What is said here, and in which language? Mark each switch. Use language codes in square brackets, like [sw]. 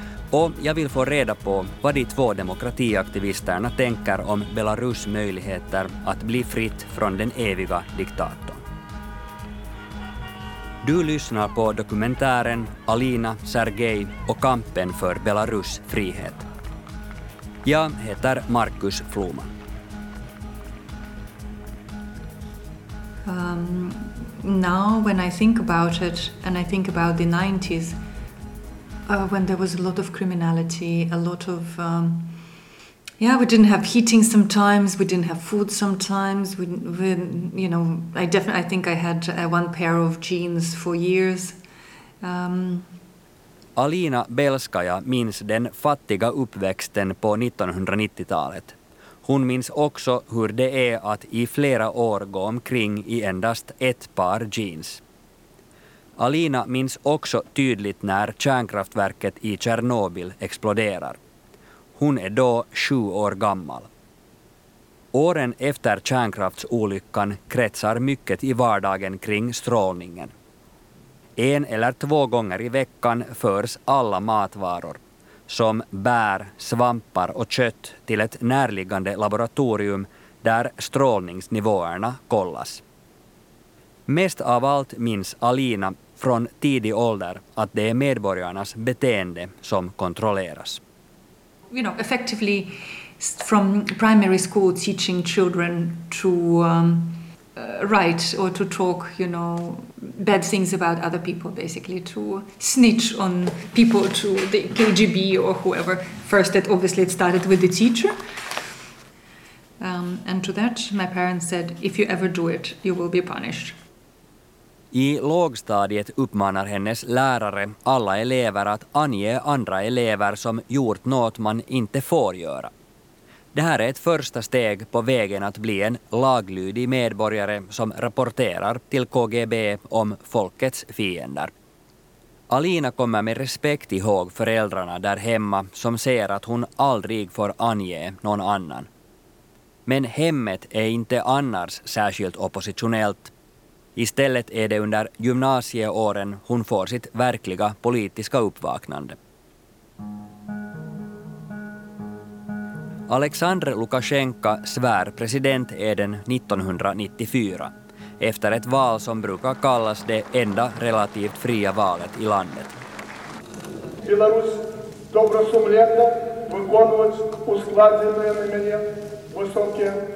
[sv] Och jag vill få reda på vad de två demokratiaktivisterna tänker om Belarus möjligheter att bli fritt från den eviga diktatorn. Du lyssnar på dokumentären Alina, Sergej och kampen för Belarus frihet. Jag heter Markus Floman. [en] Now when I think about it and I think about the 90s, when there was a lot of criminality, a lot of, we didn't have heating sometimes, we didn't have food sometimes. I think I had one pair of jeans for years. [sv] Alina Belskaja minns den fattiga uppväxten på 1990-talet. Hon minns också hur det är att i flera år gå omkring i endast ett par jeans. Alina minns också tydligt när kärnkraftverket i Tjernobyl exploderar. Hon är då 7 år gammal. Åren efter kärnkraftsolyckan kretsar mycket i vardagen kring strålningen. En eller två gånger i veckan förs alla matvaror, som bär, svampar och kött, till ett närliggande laboratorium där strålningsnivåerna kollas. Mest av allt minns Alina från tidig ålder att det är medborgarnas beteende som kontrolleras. [en] You know, effectively from primary school teaching children to write or to talk, you know, bad things about other people, basically to snitch on people to the KGB or whoever. First it obviously started with the teacher. And to that my parents said, if you ever do it, you will be punished. [sv] I lågstadiet uppmanar hennes lärare alla elever att ange andra elever som gjort något man inte får göra. Det här är ett första steg på vägen att bli en laglydig medborgare som rapporterar till KGB om folkets fiender. Alina kommer med respekt ihåg föräldrarna där hemma som säger att hon aldrig får ange någon annan. Men hemmet är inte annars särskilt oppositionellt. Istället är det under gymnasieåren hon får sitt verkliga politiska uppvaknande. Alexander Lukashenka svär presidenteden 1994 efter ett val som brukar kallas det enda relativt fria valet i landet. [ru] Belarus, добросумленно выполнять ускладенные на меня высокие.